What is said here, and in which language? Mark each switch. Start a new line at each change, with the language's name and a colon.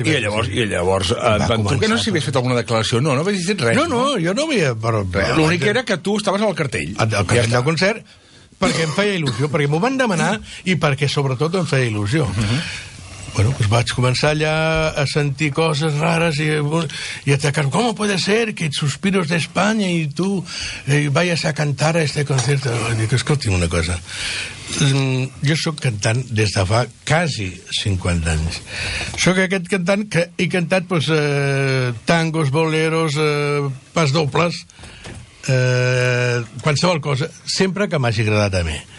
Catalan: I llavors tu que no sé si havies fet alguna declaració, no havies dit res. No, jo no havia... L'únic era que tu estaves al cartell. Al cartell del concert, perquè em feia il·lusió, perquè m'ho van demanar i perquè, sobretot, em feia il·lusió. Bueno, pues vaig començar allà a sentir coses rares i atacar-me.
Spanish: ¿Cómo puede ser que suspiros de España y tú vayas a cantar a este concierto?
Catalan: Dic, escolti, una cosa. Jo sóc cantant des de fa quasi 50 anys. Sóc aquest cantant que he cantat pues, tangos, boleros, pasdobles, qualsevol cosa, sempre que m'hagi agradat a mi.